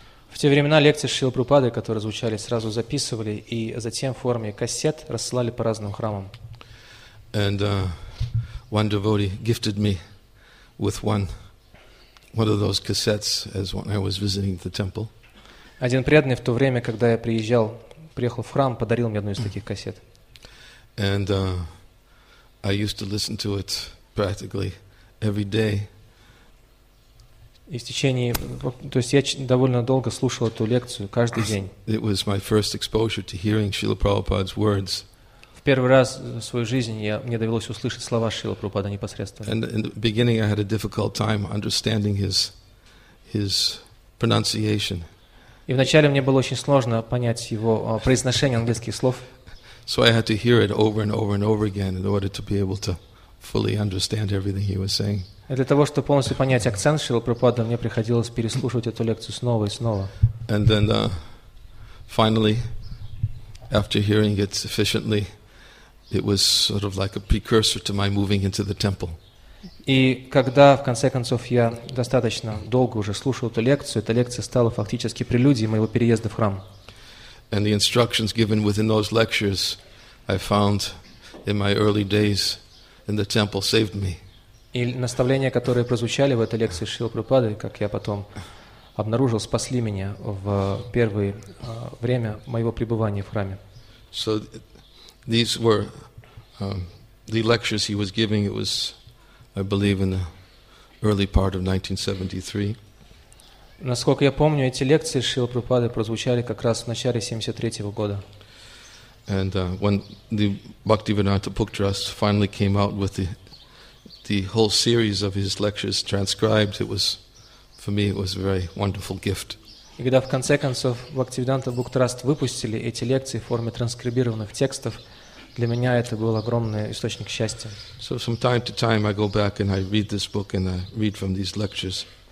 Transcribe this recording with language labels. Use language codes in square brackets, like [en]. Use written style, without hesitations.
[ru] В те времена лекции Шрилы Прабхупады, которые звучали, сразу записывали и затем в форме кассет рассылали по разным храмам. [en] And one devotee gifted me with one of those cassettes as when I was visiting the temple. [ru] Один преданный в то время, когда я приезжал. Приехал в храм, подарил мне одну из таких кассет. [en] And I used to listen to it practically every day. [ru] И в течение, то есть я довольно долго слушал эту лекцию каждый день. [en] It was my first exposure to hearing Srila Prabhupada's words. [ru] В первый раз в свою жизнь мне довелось услышать слова Шрилы Прабхупады непосредственно. [en] And in the beginning I had a difficult time understanding his pronunciation. [ru] И вначале мне было очень сложно понять его произношение английских слов. [en] So I had to hear it over and over and over again in order to be able to fully understand everything he was saying. [ru] Для того, чтобы полностью понять акцент Шрилы Прабхупады, мне приходилось переслушивать эту лекцию снова и снова. [en] And then finally, after hearing it sufficiently, it was sort of like a precursor to my moving into the temple. [ru] И когда, в конце концов, я достаточно долго уже слушал эту лекцию, эта лекция стала фактически прелюдией моего переезда в храм. [en] And the instructions given within those lectures I found in my early days in the temple saved me. [ru] И наставления, которые прозвучали в этой лекции Шрилы Прабхупады, как я потом обнаружил, спасли меня в первое время моего пребывания в храме. [en] So these were the lectures he was giving, it was I believe in the early part of 1973. [ru] Насколько я помню, эти лекции Шрилы Прабхупады прозвучали как раз в начале 73 года. [en] And when the Bhaktivedanta Pukhtras finally came out with the whole series of his lectures transcribed, it was a very wonderful gift. [ru] И когда в конце концов Бхактивиданта Пукхтраст выпустили эти лекции в форме транскрибированных текстов, для меня это был огромный источник счастья. [en] So from time to time I go back and I read this book and I read from these lectures.